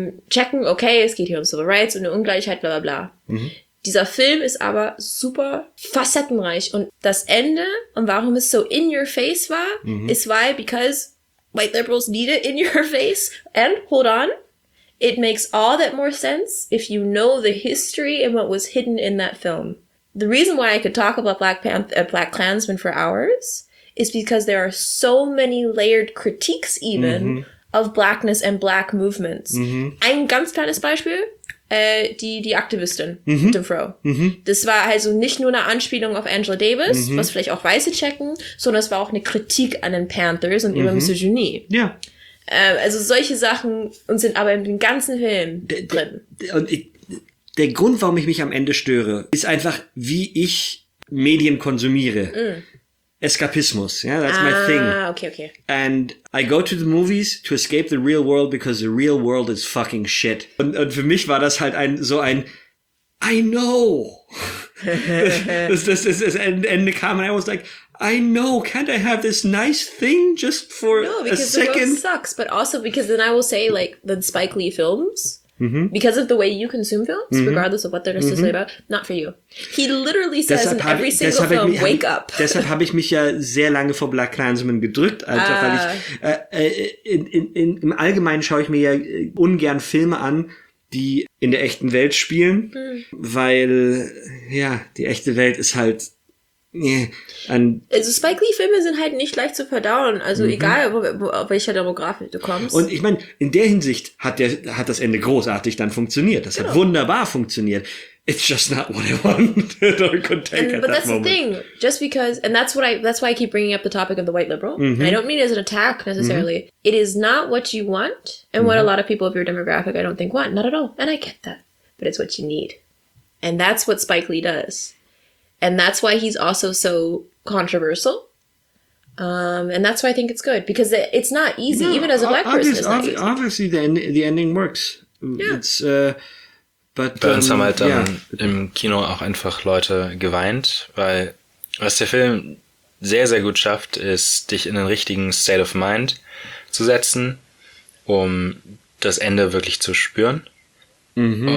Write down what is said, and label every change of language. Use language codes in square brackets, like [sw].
[de] Checken, okay, es geht hier um Civil Rights und eine Ungleichheit, bla bla bla. Dieser Film ist aber super facettenreich und das Ende und warum es so in your face war, ist [en] why, because white liberals need it in your face and hold on. It makes all that more sense if you know the history and what was hidden in that film. The reason why I could talk about Black Klansman for hours is because there are so many layered critiques even of blackness and black movements. [de] Ein ganz kleines Beispiel, die Aktivistin, de Fro. Das war also nicht nur eine Anspielung auf Angela Davis, was vielleicht auch Weiße checken, sondern es war auch eine Kritik an den Panthers und über Misogynie. Ja. Also solche Sachen und sind aber in dem ganzen Film drin. Der Grund, warum ich mich am Ende störe, ist einfach, wie ich Medien konsumiere. [en] Eskapismus, yeah, that's my thing. Ah, okay. And I go to the movies to escape the real world because the real world is fucking shit. [de] Und für mich war das halt so ein [en] I know. [de] das Ende kam und [en] I was like, I know, can't I have this nice thing just for a second? No, because the world sucks, but also because then I will say, like, the Spike Lee films, Mm-hmm. Because of the way you consume films, mm-hmm. regardless of what they're necessarily mm-hmm. about, not for you. He literally says [de] deshalb [en] in every [de] ich, [en] single film, ich, wake up. [de] Deshalb habe ich mich ja sehr lange vor Black Klansman gedrückt. Also weil ich im Allgemeinen schaue ich mir ja ungern Filme an, die in der echten Welt spielen, weil ja, die echte Welt ist halt. Also Spike Lee-Filme sind halt nicht leicht zu verdauen, also egal, auf welcher Demografik du kommst. Und ich meine, in der Hinsicht hat das Ende großartig dann funktioniert. Das hat wunderbar funktioniert. [en] It's just not what I wanted or could take at that moment. But that's the thing. Just because, and that's why I keep bringing up the topic of the white liberal. Mm-hmm. And I don't mean it as an attack necessarily. Mm-hmm. It is not what you want and mm-hmm. what a lot of people of your demographic, I don't think, want. Not at all. And I get that. But it's what you need. And that's what Spike Lee does. And that's why he's also so controversial. And that's why I think it's good. Because it's not easy, even as a black person. Obviously, the ending works. Yeah. It's, [de] bei uns haben halt im Kino auch einfach Leute geweint. Weil was der Film sehr, sehr gut schafft, ist, dich in den richtigen [en] State of Mind [de] zu setzen, um das Ende wirklich zu spüren. Mhm.